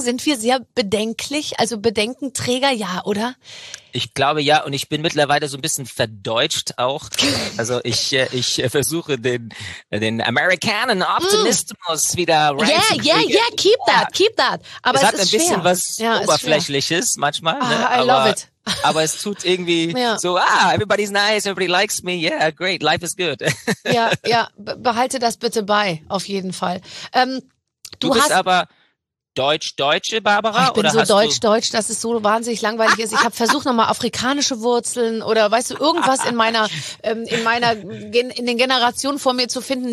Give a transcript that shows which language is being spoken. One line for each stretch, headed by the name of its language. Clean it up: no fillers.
German: Sind wir sehr bedenklich, also Bedenkenträger, ja, oder? Ich glaube ja, und ich bin mittlerweile so ein bisschen verdeutscht auch. Also ich versuche den Amerikanen Optimismus wieder reinzukriegen.
English: Yeah, keep that.
German: Aber es hat ein bisschen was Oberflächliches manchmal.
English: I love it.
German: Aber es tut irgendwie
English: everybody's nice, everybody likes me, yeah, great, life is good.
German: ja, behalte das bitte bei, auf jeden Fall. Du bist aber Deutsch-Deutsche, Barbara? Ich bin so Deutsch-Deutsch, dass es so wahnsinnig langweilig ist. Ich habe versucht, nochmal afrikanische Wurzeln oder weißt du, irgendwas in den Generationen vor mir zu finden.